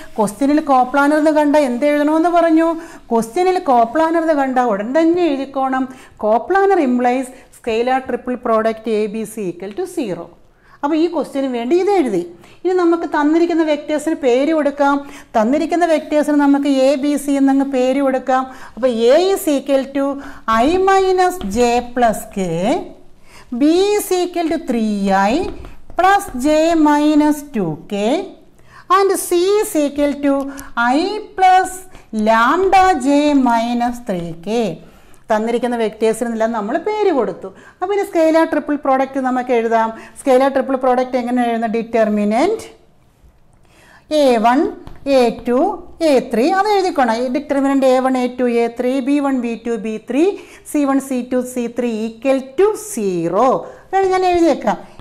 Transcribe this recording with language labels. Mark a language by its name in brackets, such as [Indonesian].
[Malayalam] ക്വസ്റ്റ്യനിൽ കോപ്ലാനർ എന്ന് കണ്ട എന്ത് എഴുതണമെന്ന് പറഞ്ഞു? ക്വസ്റ്റ്യനിൽ കോപ്ലാനർ എന്ന് കണ്ട ഉടൻ തന്നെ എഴുതിക്കോണം, [English] Coplanar implies scalar triple product A B C equal to zero. [Malayalam] അപ്പോൾ ഈ ക്വസ്റ്റ്യന് വേണ്ടി ഇത് എഴുതി. ഇനി നമുക്ക് തന്നിരിക്കുന്ന വെക്റ്റേഴ്സിന് പേര് കൊടുക്കാം. തന്നിരിക്കുന്ന വെക്റ്റേഴ്സിന് നമുക്ക് എ ബി സി എന്നങ്ങ് പേര് കൊടുക്കാം. അപ്പോൾ [English] A is equal to i minus j plus k, b is equal to 3i plus j minus 2k and c is equal to I plus lambda j minus 3k. [Malayalam] തന്നിരിക്കുന്ന വെക്ടേഴ്സിനെല്ലാം നമ്മൾ പേര് കൊടുത്തു. അപ്പോൾ ഇനി സ്കെയിലർ ട്രിപ്പിൾ പ്രോഡക്റ്റ് നമുക്ക് എഴുതാം. Scalar triple product എങ്ങനെ എഴുതുന്ന determinant A one A to A three അത് എഴുതിക്കോണം. ഈ determinant [English] a one a two a three b one b two b three c one c two c three equal to zero [Malayalam] എന്ന് ഞാൻ എഴുതിയേക്കാം.